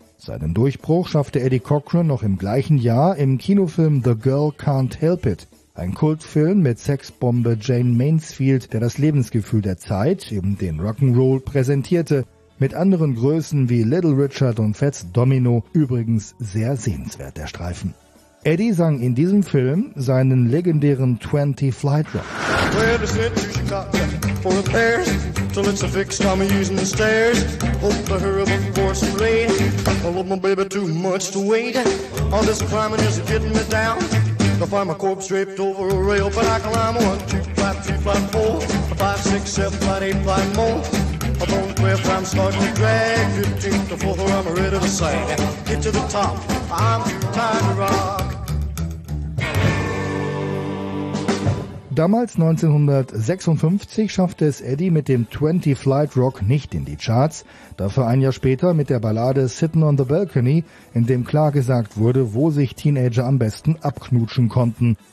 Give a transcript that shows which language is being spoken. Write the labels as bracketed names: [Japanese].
[German] Seinen Durchbruch schaffte Eddie Cochran noch im gleichen Jahr im Kinofilm The Girl Can't Help It, ein Kultfilm mit Sexbombe Jane Mansfield, der das Lebensgefühl der Zeit, eben den Rock'n'Roll, präsentierte, mit anderen Größen wie Little Richard und Fats Domino, übrigens sehr sehenswert, der Streifen. Eddie sang in diesem Film seinen legendären 20 Fly Drop. [English] Till it's a fix, I'm using the stairs. Hope to hurry before it's too late. I love my baby too much to wait. All this climbing is getting me down. I find my corpse draped over a rail, but I climb 1, 2, 3, 4, 5, 4, 5, 6, 7, 8, 9 more. I don't care if I'm starting to drag. 15 to 4, I'm ready to sag. Get to the top, I'm too tired to rock. [German] Damals 1956 schaffte es Eddie mit dem 20 Flight Rock nicht in die Charts, dafür ein Jahr später mit der Ballade Sitting on the Balcony, in dem klar gesagt wurde, wo sich Teenager am besten abknutschen konnten.